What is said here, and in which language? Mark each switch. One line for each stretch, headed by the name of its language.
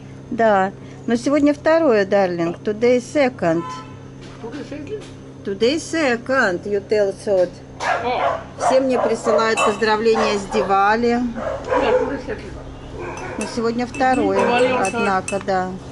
Russian: Да, но сегодня второе, darling.
English: Today second. Today second, you tell thought.
Russian: Все мне присылают поздравления с Дивали. Но сегодня второе, однако, да.